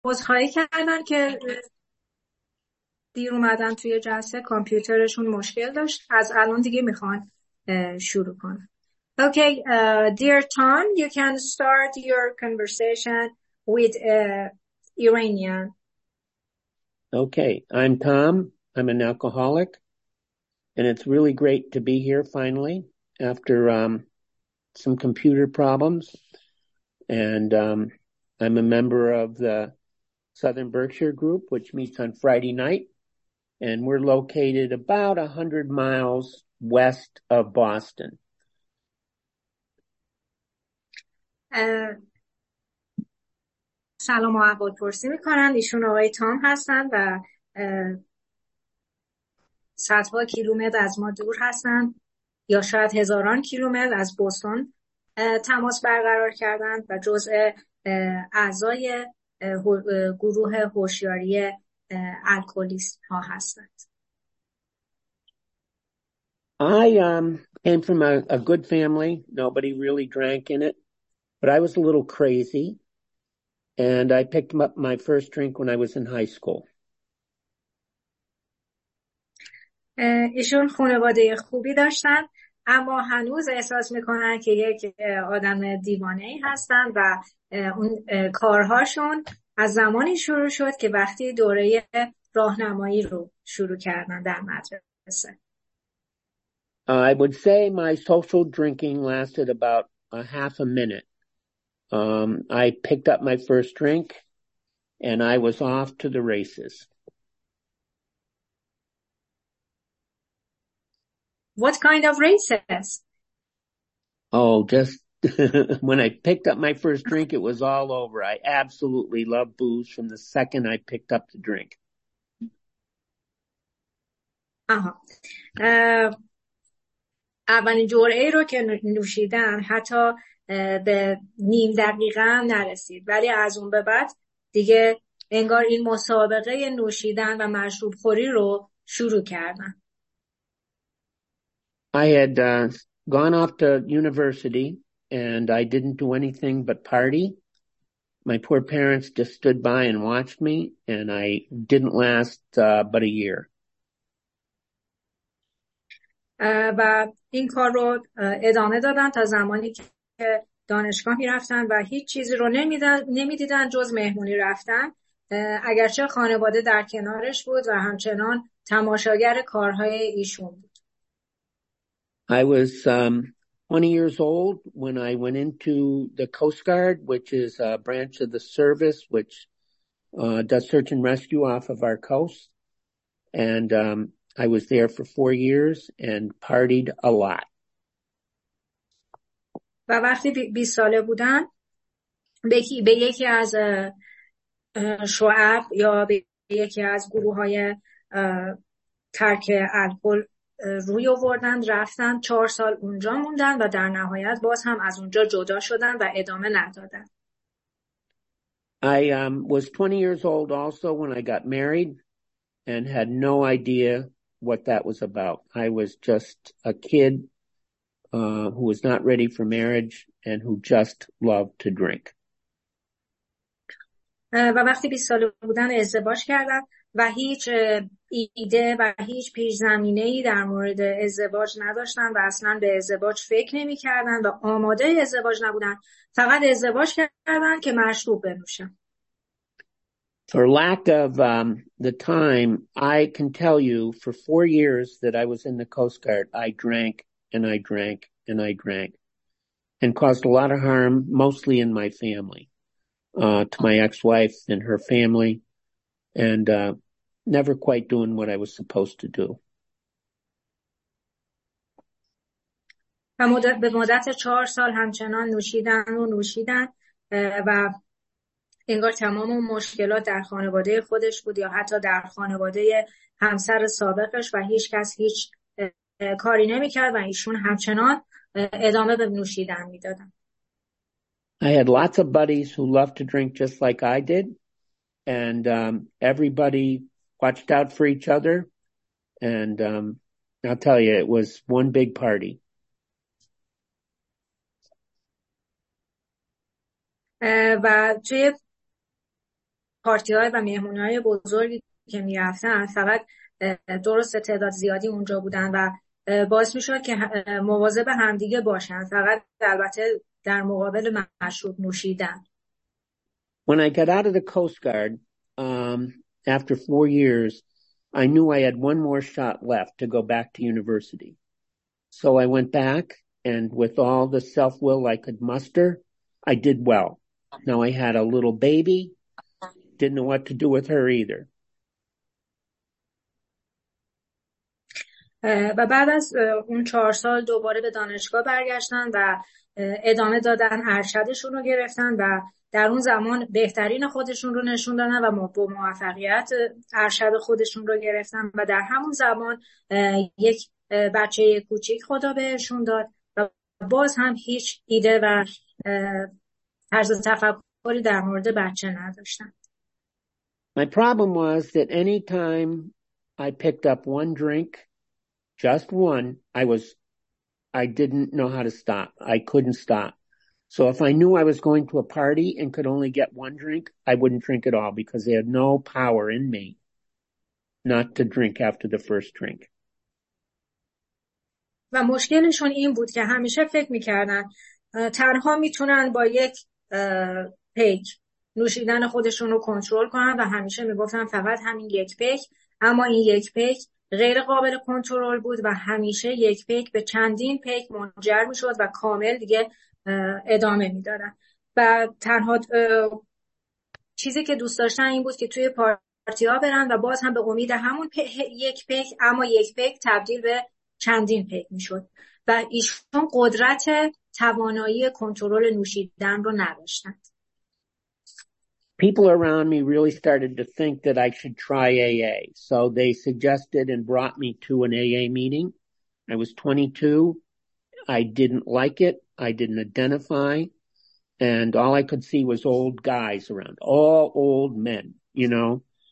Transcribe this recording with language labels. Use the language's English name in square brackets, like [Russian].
[Persian] عذرخواهی کردن که دیر اومدن توی جلسه، کامپیوترشون مشکل داشت. از الان دیگه میخوان شروع کنن. [English] Okay, dear Tom, you can start your conversation with Iranian. Okay, I'm Tom. I'm an alcoholic, and it's really great to be here finally after some computer problems. And I'm a member of the Southern Berkshire Group, which meets on Friday night. And we're located about 100 miles west of Boston. [Persian] سلام و احوالپرسی میکنن. ایشون آقای تام هستن و صدها کیلومتر از ما دور هستن، یا شاید هزاران کیلومتر از بوستون تماس برقرار کردن و جزء اعضای گروه هوشیاری الکلیست ها هستند. [English] I came from a good family. Nobody really drank in it, but I was a little crazy, and I picked up my first drink when I was in high school. [Persian] ایشون خانواده خوبی داشتن، اما هنوز احساس میکنن که یک آدم دیوانه ای هستن و اون کارهاشون از زمانی شروع شد که وقتی دوره راهنمایی رو شروع کردن در مدرسه. [English] I would say my social drinking lasted about a half a minute. I picked up my first drink and I was off to the races. What kind of races? Oh, just when I picked up my first drink, it was all over. I absolutely loved booze from the second I picked up the drink. [Persian] اولین جرعه رو که نوشیدن حتی به نیم دقیقه هم نرسید، ولی از اون به بعد دیگه انگار این مسابقه نوشیدن و مشروب خوری رو شروع کردن. [English] I had gone off to university and I didn't do anything but party. My poor parents just stood by and watched me, and I didn't last but a year. [Persian] و این کار رو ادامه دادن تا زمانی که دانشگاه می رفتن و هیچ چیزی رو نمی دیدن جز مهمونی رفتن، اگرچه خانواده در کنارش بود و همچنان تماشاگر کارهای ایشون بود. [English] I was 20 years old when I went into the Coast Guard, which is a branch of the service which does search and rescue off of our coast. And I was there for 4 years and partied a lot. [Persian] و وقتی 20 ساله بودن به یکی از شعب یا به یکی از گروه های ترک الکل روی آوردن، رفتن 4 سال اونجا موندن و در نهایت باز هم از اونجا جدا شدن و ادامه ندادن. [English] I was 20 years old also when I got married and had no idea what that was about. I was just a kid who was not ready for marriage and who just loved to drink. [Persian] و وقتی 20 ساله بودن ازدواج کردن و هیچ ایده و هیچ پیش‌زمینه‌ای در مورد ازدواج نداشتن و اصلا به ازدواج فکر نمی کردن و آماده ازدواج نبودن، فقط ازدواج کردن که مشروب بنوشن. [English] For lack of the time, I can tell you for 4 years that I was in the Coast Guard, I drank and I drank and I drank and caused a lot of harm, mostly in my family, to my ex-wife and her family, and never quite doing what I was supposed to do. [Persian] به مدت 4 سال همچنان نوشیدن و نوشیدن و انگار تمام مشکلات در خانواده خودش بود یا حتی در خانواده همسر سابقش و هیچ کس هیچ کاری نمی کرد و ایشون همچنان ادامه به نوشیدن می دادن. [English] I had lots of buddies who loved to drink just like I did, and everybody watched out for each other, and I'll tell you, it was one big party. [Persian] و توی پارتی های و مهمونی های بزرگی که می رفتن فقط درست تعداد زیادی اونجا بودن و باعث می شود که مواظب همدیگه باشن، فقط البته در مقابل مشروب نوشیدن. [English] When I got out of the Coast Guard, after 4 years, I knew I had one more shot left to go back to university. So I went back, and with all the self-will I could muster, I did well. Now I had a little baby, didn't know what to do with her either. [Persian] و بعد از اون 4 سال دوباره به دانشگاه برگشتن و ادامه دادن، ارشدشون رو گرفتن و در اون زمان بهترین خودشون رو نشون دادن و با موفقیت ارشد خودشون رو گرفتن و در همون زمان یک بچه کوچیک خدا بهشون داد و باز هم هیچ ایده و طرز تفکری در مورد بچه نداشتن. [English] My problem was that any time I picked up one drink, just one, I didn't know how to stop. I couldn't stop. So if I knew I was going to a party and could only get one drink, I wouldn't drink at all because they had no power in me not to drink after the first drink. [Persian] و مشکلشون این بود که همیشه فکر میکردن تنها میتونن با یک پیک نوشیدن خودشون رو کنترل کنن و همیشه میگفتن فقط همین یک پیک، اما این یک پیک غیر قابل کنترل بود و همیشه یک پیک به چندین پیک منجر میشد و کامل دیگه ادامه میدادن و تنها چیزی که دوست داشتن این بود که توی پارتی ها برن و باز هم به امید همون یک پیک، اما یک پیک تبدیل به چندین پیک میشد و ایشون قدرت توانایی کنترل نوشیدن رو نداشتند. [English] People around me really started to think that I should try AA. So they suggested and brought me to an AA meeting. I was 22. I didn't like it. I didn't identify. And all I could see was old guys around, all old men, you know.